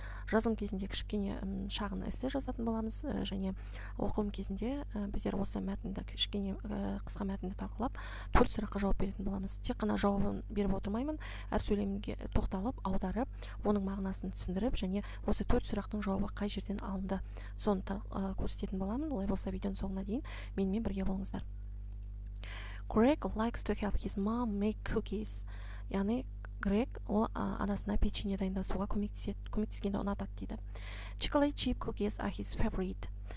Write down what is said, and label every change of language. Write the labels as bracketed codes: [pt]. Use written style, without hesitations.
[kk] Жазылым кезінде кішкене шағын эссе жазатын боламыз, және оқылым кезінде біздер осы мәтінді кішкене қысқа мәтінді талқылап, 4 сұраққа жауап беретін боламыз. Тек қана жауабын беріп отырмаймын, әр сөйлемге тоқталып, аударып, оның мағынасын түсіндіріп, және осы 4 сұрақтың жауабы қай жерден алынды, соны көрсететін боламын. Олай болса, видеоның соңына дейін менімен бірге болыңыздар. [en] Greg likes to help his mom make cookies. [kk] Яғни Грег ол анасына печенье дайындасуға көмектескенді ұнатады дейді. [en] Chocolate chip cookies are his favorite.